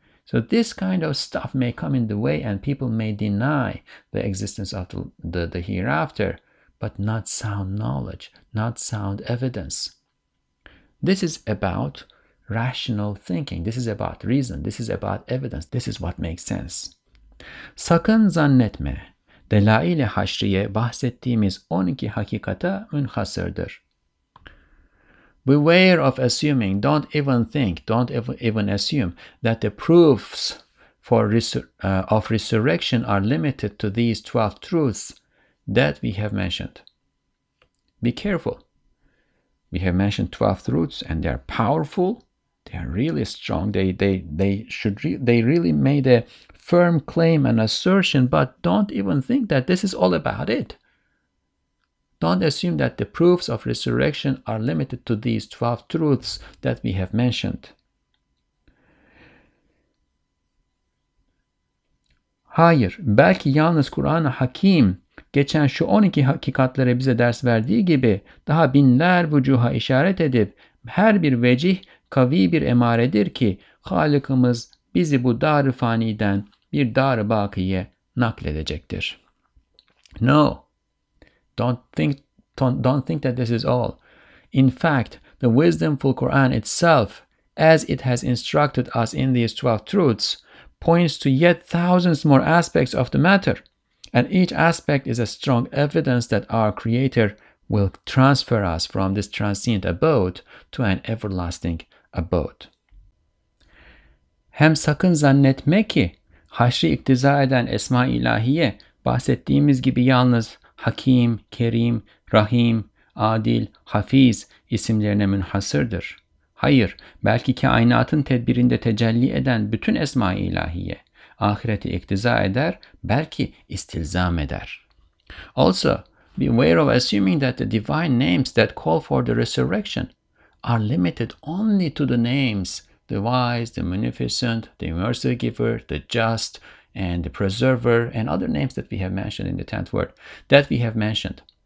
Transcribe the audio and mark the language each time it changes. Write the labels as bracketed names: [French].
[English] So this kind of stuff may come in the way, and people may deny the existence of the hereafter, but not sound knowledge, not sound evidence. This is about rational thinking. This is about reason. This is about evidence. This is what makes sense. [Turkish] Sakın zannetme, delail-i haşriye bahsettiğimiz 12 hakikata münhasırdır. [English] Beware of assuming, don't even assume that the proofs for of resurrection are limited to these 12 truths that we have mentioned. Be careful. We have mentioned 12 truths, and they are powerful. They are really strong. They really made a firm claim and assertion, but don't even think that this is all about it. Don't assume that the proofs of resurrection are limited to these 12 truths that we have mentioned. [Turkish] Hayır, belki yalnız Kur'an-ı Hakim Geçen şu 12 hakikatlere bize ders verdiği gibi daha binler vücuha işaret edip her bir vecih kavi bir emaredir ki Halık'ımız bizi bu dar-ı faniden bir dar-ı bakiye nakledecektir. [English] No, don't think that this is all. In fact, the wisdomful Quran itself, as it has instructed us in these 12 truths, points to yet thousands more aspects of the matter. And each aspect is a strong evidence that our Creator will transfer us from this transient abode to an everlasting abode. [Turkish] Hem sakın zannetme ki, haşri iktiza eden Esma-i İlahiye, bahsettiğimiz gibi yalnız Hakim, Kerim, Rahim, Adil, Hafiz isimlerine münhasırdır. Hayır, belki kainatın tedbirinde tecelli eden bütün Esma-i İlahiye, ahireti iktiza eder, belki istilzam eder. [English] Also, beware of assuming that the divine names that call for the resurrection are limited only to the names the wise, the munificent, the mercy giver, the just, and the preserver, and other names that we have mentioned in the 10th word, that we have mentioned.